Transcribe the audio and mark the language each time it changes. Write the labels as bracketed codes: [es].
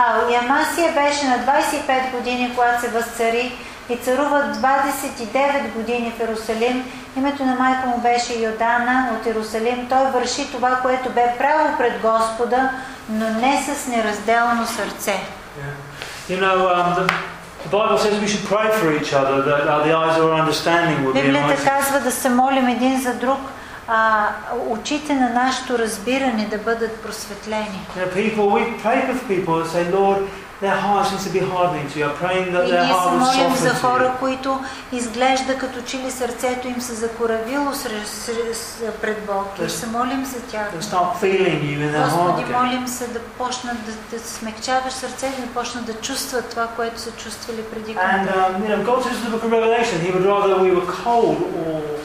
[bg] Ямасия беше на 25 години, когато се възцари и царува 29 години в Йерусалим. Името на майка му беше Йодана от Йерусалим. Той върши това, което бе право пред Господа, но не с неразделно сърце. [en] Yeah. You know, the Bible says we should pray for each other that the eyes of our understanding will be enlightened. [bg] Библията казва да се молим един за друг, очите на нашето разбиране да бъдат просветлени. [en] People, we pray with people and say, Lord, their hearts seem to be hardening to you. I'm praying that their hearts soften to [bg] you. И ние се молим за хора, които изглежда като че ли сърцето им се закоравило пред Бог. И се молим за тях. [en] They start feeling you in their heart. [bg] Господи, молим се да почнат да смекчаваш сърцето и почнат да чувстват това, което са чувствали преди. [en] And God says in the book of Revelation, He would rather we were cold or